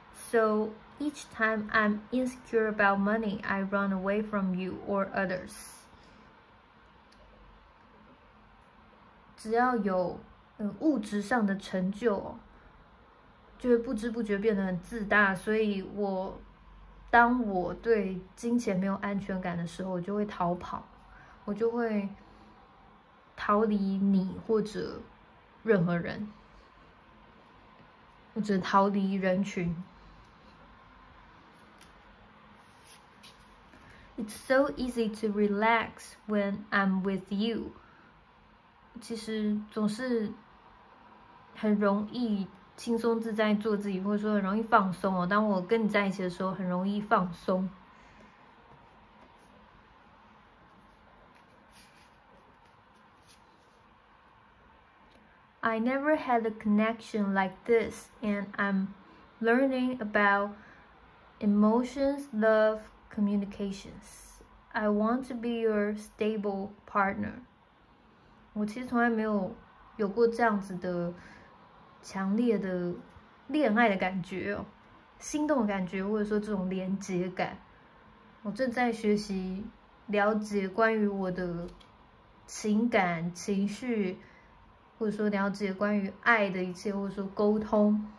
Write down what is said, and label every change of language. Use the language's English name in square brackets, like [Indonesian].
[English] So each time I'm insecure about money, I run away from you or others. [Chinese] 只要有物质上的成就，就会不知不觉变得很自大。所以当我对金钱没有安全感的时候，我就会逃跑，我就会逃离你或者任何人，或者逃离人群。 [English] It's so easy to relax when I'm with you. [Chinese] 其实总是很容易轻松自在做自己，或者说很容易放松哦。当我跟你在一起的时候，很容易放松。 [English] I never had a connection like this, and I'm learning about emotions, love, communications. I want to be your stable partner。 [Chinese] 我其实从来没有有过这样子的强烈的恋爱的感觉哦，心动的感觉，或者说这种连结感。我正在学习了解关于我的情感、情绪，或者说了解关于爱的一切，或者说沟通。